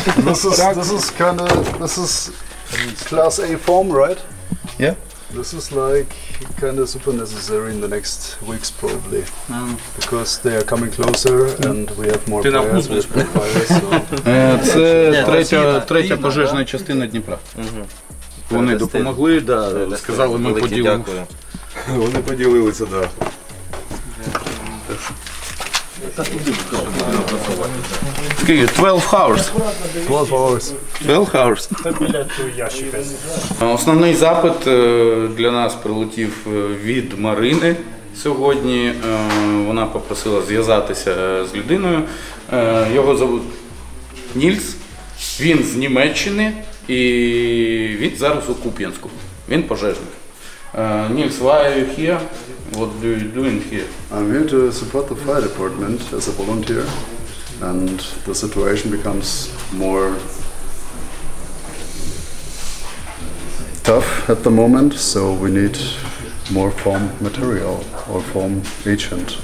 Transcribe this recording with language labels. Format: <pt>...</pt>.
<en>This is kind of, this is class A form, right? Yeah. This is like kind of super necessary in the next weeks probably. Because they are coming closer and we have more players, more players.</en> <uk>Це третя пожежна частина Дніпра. Вони допомогли, да, сказали, ми поділимося. Вони поділилися, да.</uk> <en>Okay, 12 hours. 12 hours.</en> <uk>Основний запит для нас прилетів від Марини сьогодні. Вона попросила зв'язатися з людиною. Його звуть Нільс. Він з Німеччини і він зараз у Куп'янську. Він пожежник.</uk> <en>Нільс, why are you here? What are you doing here? I'm here to support the fire department as a volunteer. And the situation becomes more tough at the moment, so we need more foam material or foam agent.</en>